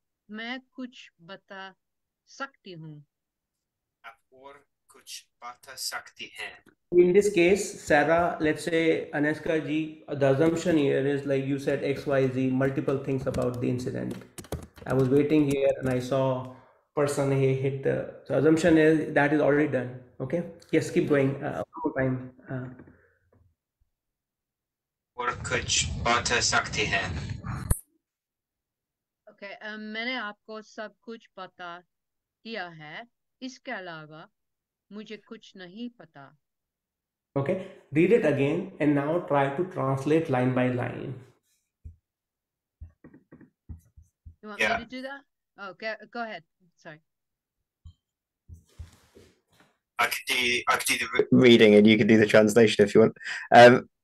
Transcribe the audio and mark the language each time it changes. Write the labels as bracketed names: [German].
[Hindi] मैं कुछ बता सकती हूँ. Aap aur kuch bata sakti hai. [English] In this case, Sarah, let's say Aneska ji, the assumption here is like you said XYZ, multiple things about the incident. I was waiting here and I saw person he hit the, so assumption is that is already done. Okay, yes, keep going. One more time. [Hindi] Okay, मैंने आपको सब कुछ पता दिया है, इसके अलावा मुझे कुछ नहीं पता. [English] Okay, read it again and now try to translate line by line. You want me to do that? Okay, go ahead. Sorry. I could do the reading and you can do the translation if you want.